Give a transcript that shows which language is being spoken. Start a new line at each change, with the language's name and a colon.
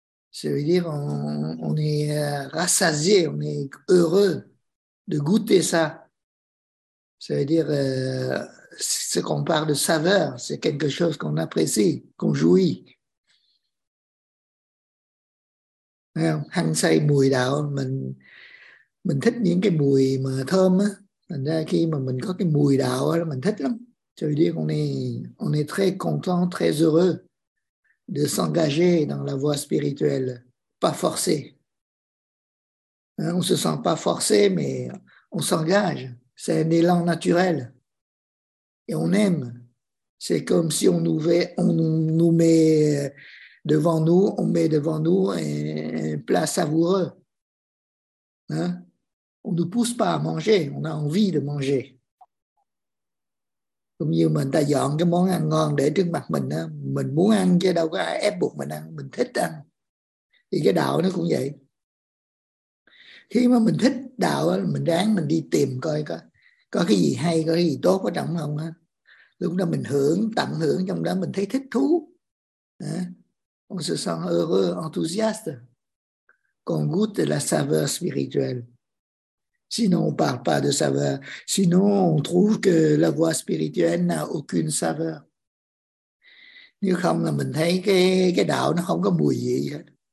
French: Ça veut dire on est rassasié, on est heureux de goûter ça. Ça veut dire ce qu'on parle de saveur, c'est quelque chose qu'on apprécie, qu'on jouit.
Vietnamese: Hăng say mùi đạo, mình thích những cái mùi mà thơm á, thành ra khi mà mình có cái mùi đạo á mình thích lắm.
French: Ça veut dire on est très content, très heureux de s'engager dans la voie spirituelle, pas forcé. On se sent pas forcé, mais on s'engage. C'est un élan naturel. Et on aime. C'est comme si on met devant nous un plat savoureux. Hein? On ne nous pousse pas à manger, on a envie de manger. Comme si on a
Vietnamese: dọn cái món ăn ngon để trước mặt mình, hein? Mình muốn ăn chứ đâu có ai ép buộc mình ăn, mình thích ăn. Thì cái đạo nó cũng vậy. Khi mà mình thích đạo á, mình ráng mình đi tìm coi có cái gì hay, có cái gì tốt ở trong không á. Lúc đó mình hưởng, tận hưởng trong đó, mình thấy thích thú.
French: On se sent heureux, enthousiaste. Qu'on goûte la saveur spirituelle. Sinon, on parle pas de saveur. Sinon, on trouve que la voie spirituelle n'a aucune saveur.
Vietnamese: Nếu không là mình thấy cái đạo nó không có mùi gì hết.